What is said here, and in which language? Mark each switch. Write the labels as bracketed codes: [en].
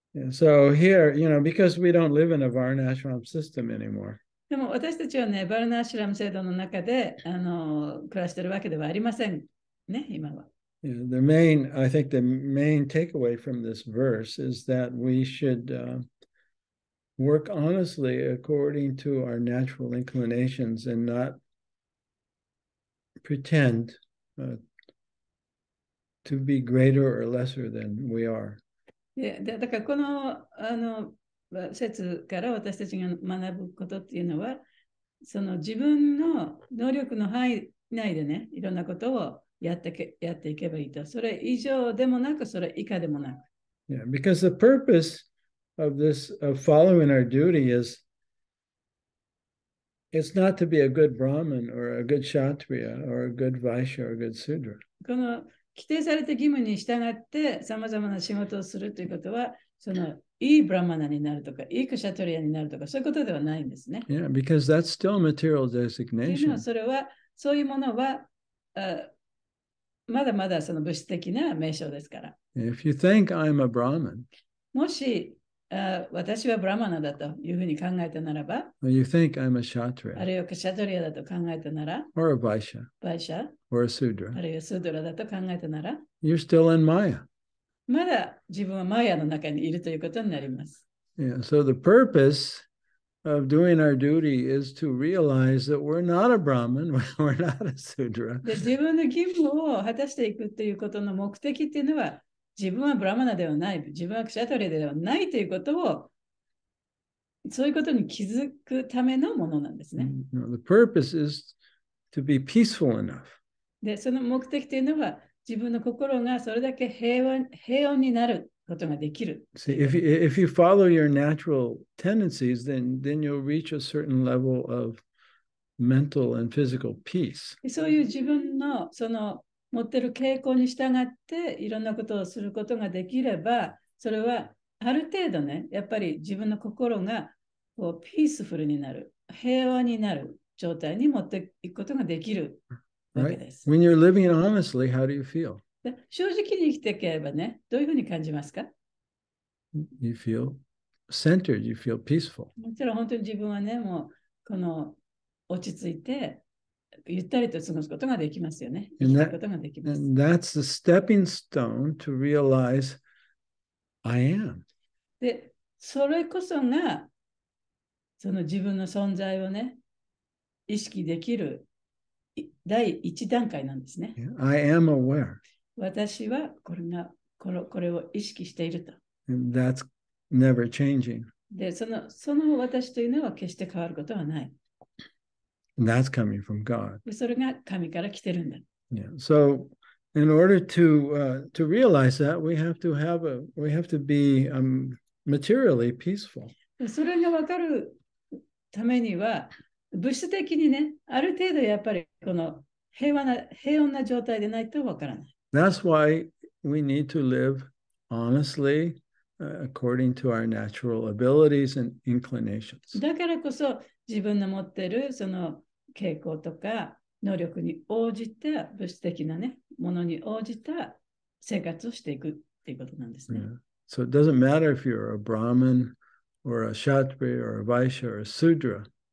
[en] So here, you know, because we don't live in a Varnashram system anymore. [ja] でも私たちはね、バルナシュラム制度の中で暮らしてるわけではありませんね、今は。 [en] Yeah, I think the main takeaway from this verse is that we should work honestly according to our natural inclinations and not pretend to be greater or lesser than we are. [ja] で、だからこの、あの、節から私たちが学ぶことっていうのは、その自分の能力の範囲内でね、いろんなことをやっていけばいいと。それ以上でもなく、それ以下でもなく。 [en] Yeah, because the purpose of this, of following our duty is, it's not to be a good Brahmin or a good Kshatriya or a good Vaishya or a good Sudra. [ja] この規定された義務に従ってさまざまな仕事をするということは、そのいいブラマナになるとか、いいクシャトリアになるとか、そういうことではないんですね。 [en] Yeah, because that's still material designation. [ja] それは、そういうものは、まだまだその物質的な名称ですから。 [en] If you think I'm a Brahmin, [ja] もし、私はブラマナだというふうに考えたならば、 [en] or you think I'm a Kshatriya, [ja] あるいはクシャトリアだと考えたなら、 [en] or a Vaishya, [ja] Vaishya, [en] or a Sudra, [ja] あるいはSudraだと考えたなら、 [en] you're still in Maya. [ja] まだ自分はマヤの中にいるということになります。 [en] Yeah, so the purpose of doing our duty is to realize that we're not a Brahmin, we're not a Sudra. [ja] で、自分の義務を果たしていくということの目的っていうのは、自分はブラマナではない、自分はクシャトリアではないということを、そういうことに気づくためのものなんですね。 [en] No, the purpose is to be peaceful enough. [ja] で、その目的というのは、自分の心がそれだけ平穏になることができる。 [en] See, if you follow your natural tendencies, then you'll reach a certain level of mental and physical peace. [ja] そういう自分のその持ってる傾向に従っていろんなことをすることができれば、それはある程度ね、やっぱり自分の心がこうピースフルになる、平和になる状態に持っていくことができる。 [en] Right. When you're living honestly, how do you feel? [ja] 正直に生きていけばね、どういうふうに感じますか？ [en] You feel centered, you feel peaceful. [ja] もちろん本当に自分はね、もうこの落ち着いてゆったりと過ごすことができますよね。生きることができます。 [en] And that's the stepping stone to realize I am. [ja] で、それこそがその自分の存在をね、意識できる第一段階なんですね。 [en] I am aware. [ja] 私はこれがこれを意識していると。 [en] And that's never changing. [ja] で、その私というのは決して変わることはない。 [en] And that's coming from God. [ja] それが神から来てるんだ。 [en] Yeah. So, in order to realize that, we have to be materially peaceful. [ja] それがわかるためには、物質的にね、ある程度やっぱりこの平穏な状態でないとわからない。 [en] That's why we need to live honestly, according to our natural abilities and inclinations. [ja] だからこそ自分の持ってるその傾向とか能力に応じた物質的なね、ものに応じた生活をしていくっていうことなんですね。 [en] Yeah. So it doesn't matter if you're a Brahmin or a Kshatriya or a Vaishya or a Sudra.